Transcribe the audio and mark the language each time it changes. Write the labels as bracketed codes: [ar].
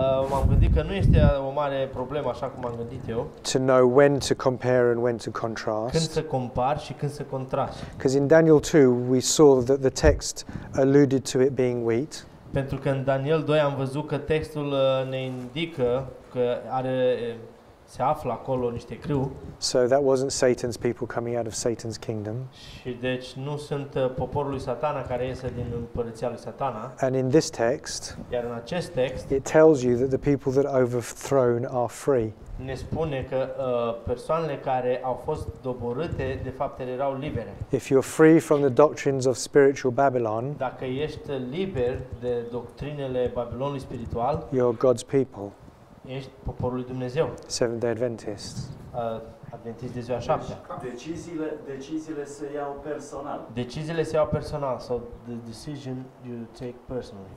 [ro] M-am gândit că nu este o mare problemă așa cum am gândit eu. [en] To know when to compare and when to contrast. [ro] Când să compari și când să contrasti. [en] Because in Daniel 2 we saw that the text alluded to it being wheat. [ro] Pentru că în Daniel 2 am văzut că textul ne indică că are se află acolo niște grâu. [en] So that wasn't Satan's people coming out of Satan's kingdom. [ro] Și deci nu sunt poporul lui Satana care iese din împărăția lui Satana. [en] And in this text, [ro] iar în acest text, [en] it tells you that the people that overthrown are free. [ro] Ne spune că persoanele care au fost doborâte de fapt erau libere. [en] If you're free from the doctrines of spiritual Babylon, [ro] dacă ești liber de doctrinele Babilonului spiritual, [en] you're God's people. [ro] Ești poporul lui Dumnezeu. [en] Seventh-day Adventist. [ro] Adventist de ziua șaptea. Deciziile se iau personal. Deciziile se iau personal. [en] So the decision you take personally.